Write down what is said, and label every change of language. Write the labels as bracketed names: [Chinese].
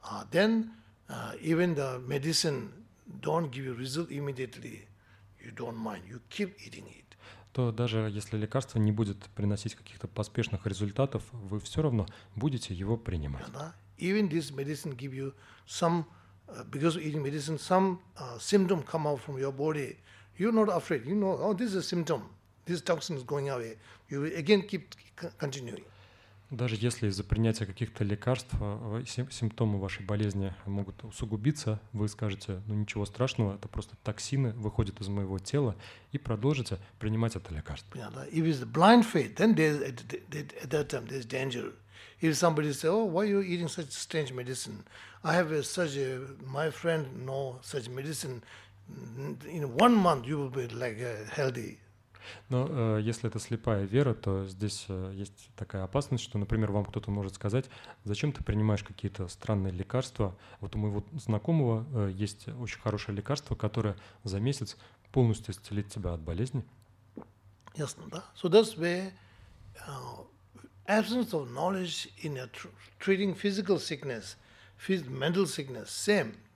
[English] Then even the medicine don't give you result immediately, you don't mind, you keep eating it. [Russian] То даже если лекарство не будет приносить каких-то поспешных результатов, вы все равно будете его принимать. Yeah, да? [English] Even this medicine give you some, because eating medicine some symptom come out from your body, you're not afraid, you know, oh, this is a symptom, this toxin is going away. You will again keep continuing. [Russian] Даже если из-за принятия каких-то лекарств симптомы вашей болезни могут усугубиться, вы скажете, ну ничего страшного, это просто токсины выходят из моего тела, и продолжите принимать это лекарство. Понятно. [English] If it's blind faith, then at that time there's danger. If somebody says, oh, why are you eating such strange medicine? I have my friend know such medicine. In one month you will be healthy. [Russian] Но если это слепая вера, то здесь есть такая опасность, что, например, вам кто-то может сказать, зачем ты принимаешь какие-то странные лекарства? Вот у моего знакомого есть очень хорошее лекарство, которое за месяц полностью исцелит тебя от болезни. Ясно, да? [English] So that's where absence of knowledge in treating physical sickness, mental sickness, same.